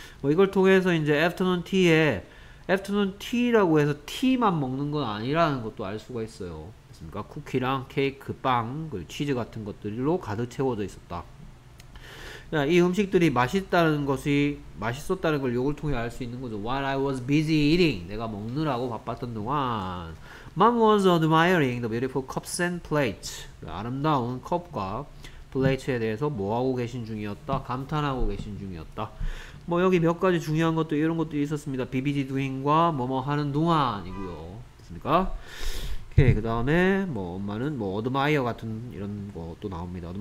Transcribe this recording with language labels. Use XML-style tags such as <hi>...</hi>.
<ko>뭐 이걸 통해서 이제 afternoon tea에 애프터눈 티라고 해서 티만 먹는 건 아니라는 것도 알 수가 있어요. 그러니까 쿠키랑 케이크, 빵, 그리고 치즈 같은 것들로 가득 채워져 있었다. 그러니까 이 음식들이 맛있다는 것이 맛있었다는 걸 욕을 통해 알수 있는 거죠.</ko> <en>While I was busy eating,</en> <ko>내가 먹느라고 바빴던 동안,</ko> <en>Mom was admiring the beautiful cups and plates.</en> <ko>아름다운 컵과 플레이트에 대해서 뭐 하고 계신 중이었다, 감탄하고 계신 중이었다. 뭐 여기 몇 가지 중요한 것도 이런 것도 있었습니다. BBD doing과 뭐뭐 하는 동안이고요. 됐습니까? 오케이, 그 다음에 뭐 엄마는 뭐 admire 같은 이런 것도 나옵니다.</ko>